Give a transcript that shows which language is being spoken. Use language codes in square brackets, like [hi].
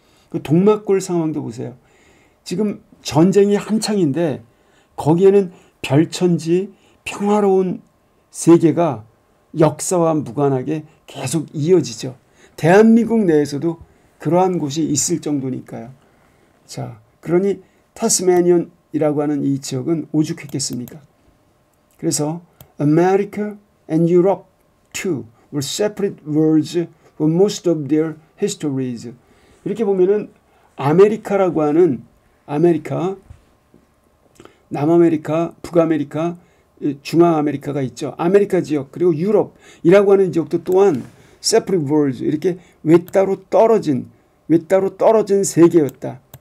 [ko] 그 동막골 상황도 보세요. 지금 전쟁이 한창인데 거기에는 별천지 평화로운 세계가 역사와 무관하게 계속 이어지죠. 대한민국 내에서도 그러한 곳이 있을 정도니까요. 자, 그러니 타스메니아라고 하는 이 지역은 오죽했겠습니까? 그래서 [en] America and Europe too were separate worlds for most of their histories. [ko] 이렇게 보면은 아메리카라고 하는 아메리카, 남아메리카, 북아메리카, 중앙아메리카가 있죠. 아메리카 지역, 그리고 유럽이라고 하는 지역도 또한 [en] separate worlds, [ko] 이렇게 외따로 떨어진 세계였다.